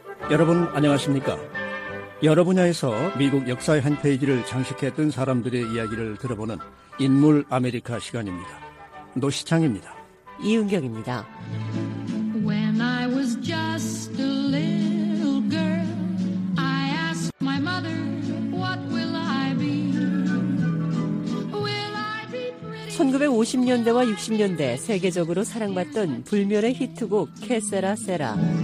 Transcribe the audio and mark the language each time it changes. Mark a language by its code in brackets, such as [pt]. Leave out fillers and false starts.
[ko] 여러분 안녕하십니까? 여러 분야에서 미국 역사의 한 페이지를 장식했던 사람들의 이야기를 들어보는 인물 아메리카 시간입니다. 노시창입니다. 이은경입니다. [en] When I was just a little girl, I asked my mother, what will I be? Will I be pretty? [ko] 1950년대와 60년대 세계적으로 사랑받던 불멸의 히트곡 Que sera, sera.